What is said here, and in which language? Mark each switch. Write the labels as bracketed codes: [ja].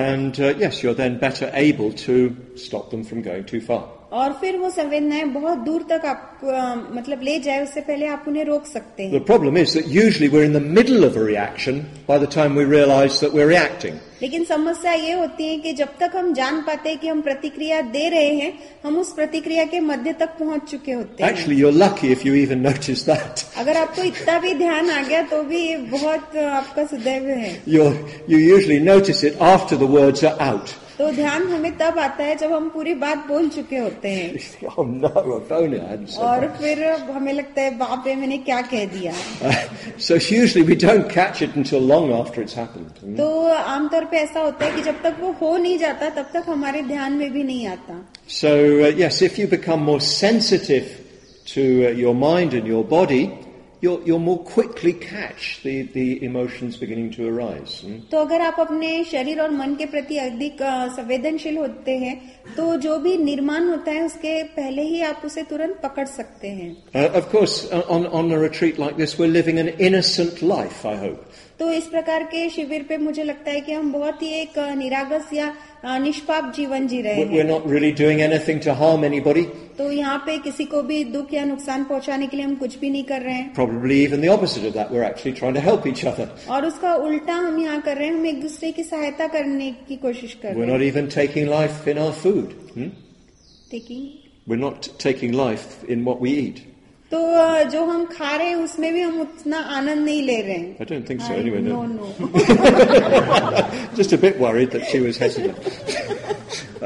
[en] And yes, you're then better able to stop them from going too far. [hi] और फिर वो संवेदनाएं बहुत दूर तक आप मतलब ले जाए उससे पहले आप उन्हें रोक सकते हैं. [en] The problem is that usually we're in the middle of a reaction by the time we realize that we're reacting. [hi] लेकिन समस्या ये होती है कि जब तक हम जान पाते हैं कि हम प्रतिक्रिया दे रहे हैं हम उस प्रतिक्रिया के मध्य तक पहुंच चुके होते हैं. [en] Actually, you're lucky if you even notice that. [hi] अगर आपको इतना भी ध्यान आ गया तो भी ये बहुत आपका सदैव है. [en] You usually notice it after the words are out. [hi] तो ध्यान हमें तब आता है जब हम पूरी बात बोल चुके होते हैं. [en] Oh, no, I don't answer. [hi] और फिर हमें लगता है बाप रे मैंने क्या कह दिया. [en] So usually we don't catch it until long after it's happened. [hi] तो आमतौर पे ऐसा होता है कि जब तक वो हो नहीं जाता तब तक हमारे ध्यान में भी नहीं आता. [en] So yes, if you become more sensitive to your mind and your body, you'll more quickly catch the emotions beginning to arise. [hi] तो अगर आप अपने शरीर और मन के प्रति अधिक संवेदनशील होते हैं तो जो भी निर्माण होता है उसके पहले ही आप उसे तुरंत पकड़ सकते हैं. [en] Of course, on a retreat like this, we're living an innocent life, I hope. [hi] तो इस प्रकार के शिविर पे मुझे लगता है कि हम बहुत ही एक निरागस या निष्पाप जीवन जी रहे हैं. [en] We're not really doing anything to harm anybody. [hi] तो यहाँ पे किसी को भी दुख या नुकसान पहुंचाने के लिए हम कुछ भी नहीं कर रहे हैं. [en] Probably even the opposite of that, we're actually trying to help each other. [hi] और उसका उल्टा हम यहाँ कर रहे हैं, हम एक दूसरे की सहायता करने की कोशिश कर रहे हैं. [en] We're not even taking life in our food. We're not taking life in what we eat. [hi] तो जो हम खा रहे हैं उसमें भी हम उतना आनंद नहीं ले रहे हैं. [en] I don't think so anyway. No. Just a bit worried that she was hesitant.